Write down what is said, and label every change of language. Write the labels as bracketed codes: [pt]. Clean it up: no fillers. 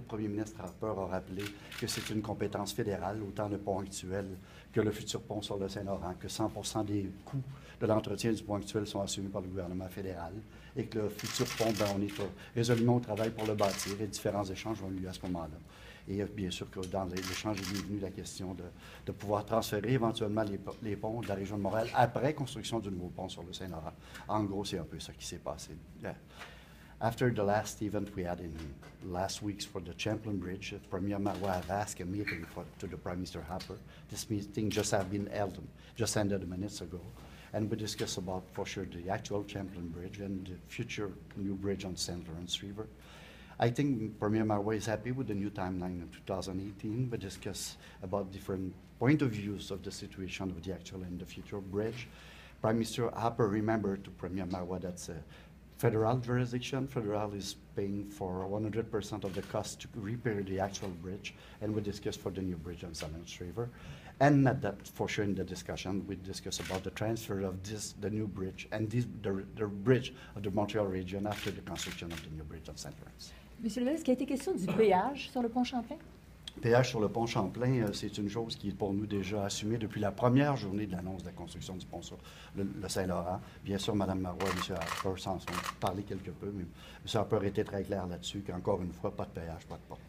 [fr] Le premier ministre Harper a rappelé que c'est une compétence fédérale, autant le pont actuel que le futur pont sur le Saint-Laurent, que 100% des coûts de l'entretien du pont actuel sont assumés par le gouvernement fédéral et que le futur pont, ben, on est résolument au travail pour le bâtir et différents échanges ont lieu à ce moment-là. Et bien sûr que dans l'échange, il est venu la question de pouvoir transférer éventuellement les ponts de la région de Montréal après construction du nouveau pont sur le Saint-Laurent. En gros, c'est un peu ça qui s'est passé. [en] Yeah. After the last event we had in last week for the Champlain Bridge, Premier Marois have asked a meeting to the Prime Minister Harper. This meeting just has been held, just ended minutes ago. And we discussed about, for sure, the actual Champlain Bridge and the future new bridge on St. Lawrence River. I think Premier Marois is happy with the new timeline of 2018. We discuss about different point of views of the situation of the actual and the future bridge. Prime Minister Harper remembered to Premier Marois that's a federal jurisdiction. Federal is paying for 100% of the cost to repair the actual bridge. And we discuss for the new bridge on St. Lawrence River. And not that for sure in the discussion, we discuss about the transfer of this, the new bridge, and this, the bridge of the Montreal region after the construction of the new bridge on St. Lawrence. [fr] Monsieur le ministre, qu'a été question du péage sur le pont Champlain? Péage sur le pont Champlain, c'est une chose qui est pour nous déjà assumée depuis la première journée de l'annonce de la construction du pont sur le Saint-Laurent. Bien sûr, Mme Marois et M. Harper s'en sont parlé quelque peu, mais M. Harper était très clair là-dessus qu'encore une fois, pas de péage, pas de pont.